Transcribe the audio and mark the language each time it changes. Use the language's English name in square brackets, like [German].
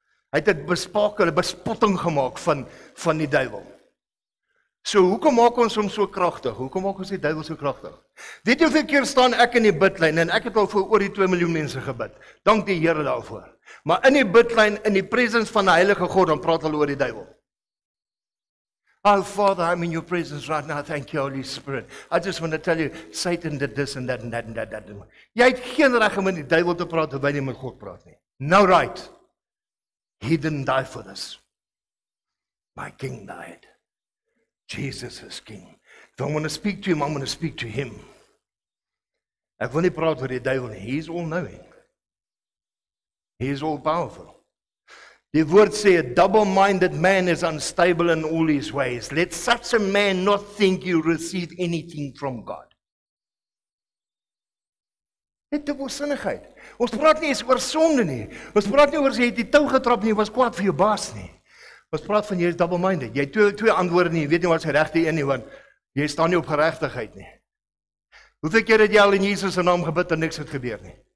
[Afrikaans] Hy het bespakel, bespotting gemaakt van die duivel. So, hoekom maak ons hom so krachtig? Hoekom maak ons die duivel so krachtig? Weet jy hoeveel keer staan ek in die bidlijn, en ek het al voor oor die 2 miljoen mense gebid. Dank die Heere daarvoor. Maar in die bidlijn, in die presence van die Heilige God, dan praat hulle oor die duivel. [English] Oh, Father, I'm in your presence right now. Thank you, Holy Spirit. I just want to tell you, Satan did this and that and that and that. [Afrikaans] Jy het geen reg om in die duivel te praat, terwyl jy met God praat nie. [English] Now right. He didn't die for this. My king died. Jesus is king. If I'm going to speak to him, I'm going to speak to him. [Afrikaans] Ek wil nie praat oor die duivel nie. [English] He's all knowing. He is all powerful. [Afrikaans] Die woord sê, [English] a double-minded man is unstable in all his ways. Let such a man not think you receive anything from God. [Afrikaans] Dit is dubbelsinnigheid. Ons praat nie eens oor sonde nie. Ons praat nie oor as jy het die tou getrap nie, was kwaad vir jou baas nie. Ons praat van jy is double-minded. Jy het twee antwoorde nie, jy weet nie wat is regte een nie, want jy staan nie op geregtigheid nie. Hoeveel keer het jy al in Jesus se naam gebid en niks het gebeur nie?